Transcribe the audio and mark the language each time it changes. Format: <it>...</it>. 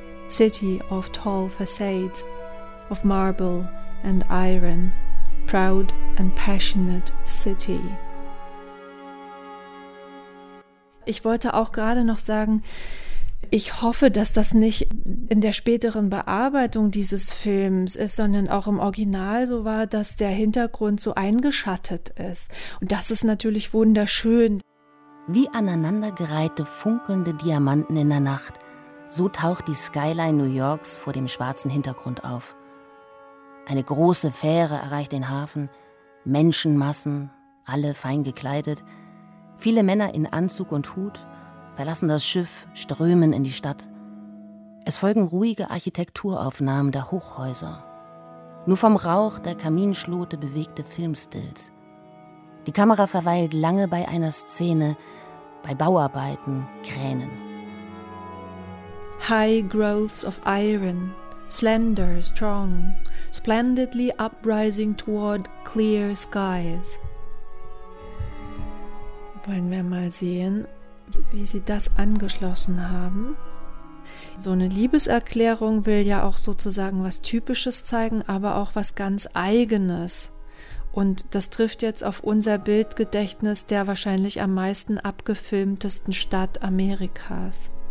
<en>City of tall facades, of marble and iron, proud and passionate city.</en> <de>Ich wollte auch gerade noch sagen, ich hoffe, dass das nicht in der späteren Bearbeitung dieses Films ist, sondern auch im Original so war, dass der Hintergrund so eingeschattet ist. Und das ist natürlich wunderschön. Wie aneinandergereihte, funkelnde Diamanten in der Nacht, so taucht die Skyline New Yorks vor dem schwarzen Hintergrund auf. Eine große Fähre erreicht den Hafen, Menschenmassen, alle fein gekleidet, viele Männer in Anzug und Hut, verlassen das Schiff, strömen in die Stadt. Es folgen ruhige Architekturaufnahmen der Hochhäuser. Nur vom Rauch der Kaminschlote bewegte Filmstills. Die Kamera verweilt lange bei einer Szene, bei Bauarbeiten, Kränen.</de> <en>High growths of iron, slender, strong, splendidly uprising toward clear skies.</en> <de>Wollen wir mal sehen, wie sie das angeschlossen haben. So eine Liebeserklärung will ja auch sozusagen was Typisches zeigen, aber auch was ganz Eigenes. Und das trifft jetzt auf unser Bildgedächtnis der wahrscheinlich am meisten abgefilmtesten Stadt Amerikas.</de>